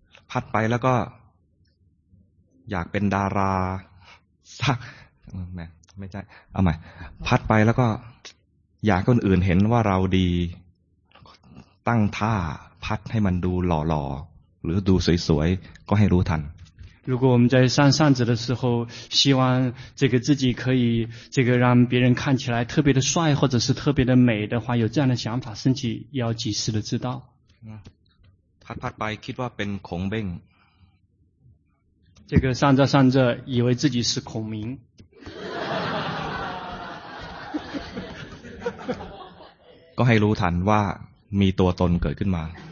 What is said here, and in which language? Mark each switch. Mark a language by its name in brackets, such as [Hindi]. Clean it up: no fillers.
[Thai] พัดไปแล้วก็อยากเป็นดาราสักไม่ใช่เอาใหม่พัดไปแล้วก็อยากคนอื่นเห็นว่าเราดีตั้งท่าพัดให้มันดูหล่อๆหรือดูสวยๆก็ให้รู้ทัน [Chinese] 如果我们在扇扇子的时候希望这个自己可以这个让别人看起来特别的帅或者是特别的美的话有这样的想法升起要及时的知道 [Thai] พัดพัดไปคิดว่าเป็นขงเบ้ง [Chinese] 这个扇着扇着以为自己是孔明 [Thai] ก็ให้รู้ทันว่ามีตัวตนเกิดขึ้นมา